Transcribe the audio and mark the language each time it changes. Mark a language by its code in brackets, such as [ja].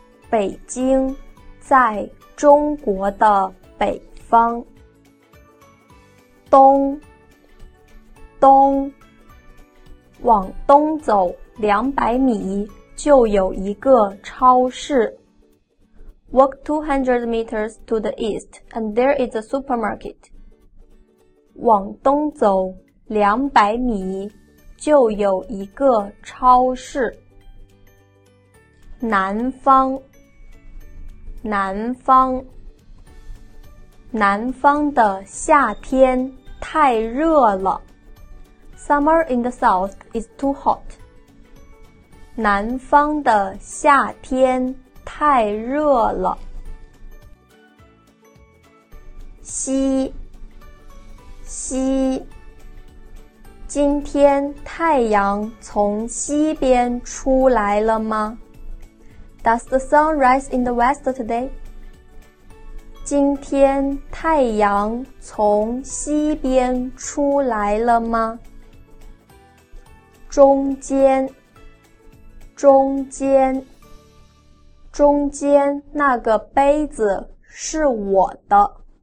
[zh] 北京在中国的北方。东，东。往东走200米就有一个超市。 [en] Walk 200 meters to the east and there is a supermarket. [zh] 往东走200米就有一个超市。南方，南方。南方的夏天太热了。 [en] Summer in the south is too hot. [zh] 南方的夏天太热了。西，西。今天太阳从西边出来了吗？ [en] Does the sun rise in the west today? [zh] 今天太阳从西边出来了吗？中间，中间。中间那个杯子是我的。